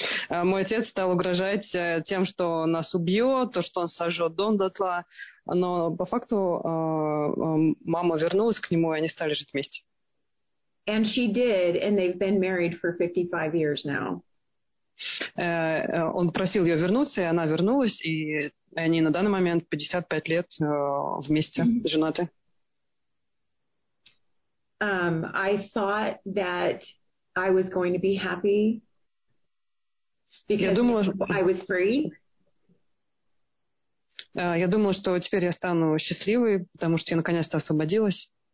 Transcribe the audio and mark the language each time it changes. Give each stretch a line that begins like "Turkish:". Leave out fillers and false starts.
Russian: Мой отец стал угрожать тем, что нас убьет, то, что он сожжет дом дотла. Но по факту мама вернулась к нему, и они стали жить вместе.
English: And she did, and they've been married for 55 years now.
Russian: Он просил ее вернуться, и она вернулась, и они на данный момент 55 лет вместе, женаты.
English: I thought that I was going to be happy because I was free.
Russian: Я думала, что теперь я стану счастливой, потому что я наконец-то освободилась.